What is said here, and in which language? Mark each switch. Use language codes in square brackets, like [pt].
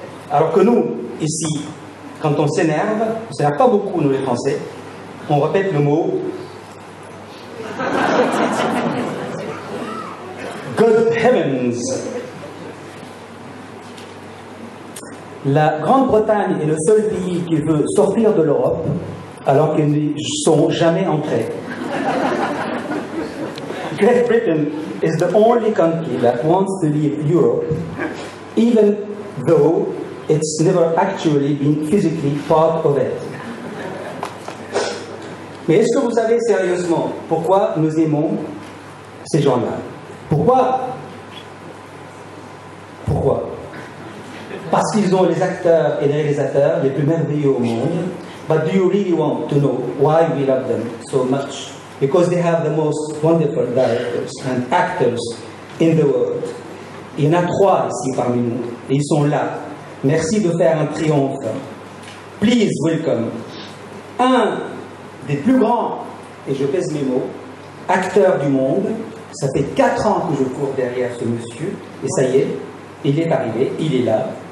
[fr] Alors que nous, ici, quand on s'énerve pas beaucoup, nous les Français, on répète le mot [en] God heavens. [fr] La Grande-Bretagne est le seul pays qui veut sortir de l'Europe alors qu'ils n'y sont jamais entrés. [en] Great Britain is the only country that wants to leave Europe even though it's never actually been physically part of it. [fr] Mais est-ce que vous savez sérieusement pourquoi nous aimons ces gens-là? Pourquoi? Parce qu'ils ont les acteurs et les réalisateurs les plus merveilleux au monde. [en] But do you really want to know why we love them so much? Because they have the most wonderful directors and actors in the world. [fr] Il y en a trois ici parmi nous et ils sont là. Merci de faire un triomphe. [en] Please welcome [fr] un des plus grands, et je pèse mes mots, acteurs du monde. Ça fait 4 ans que je cours derrière ce monsieur et ça y est, il est arrivé, il est là.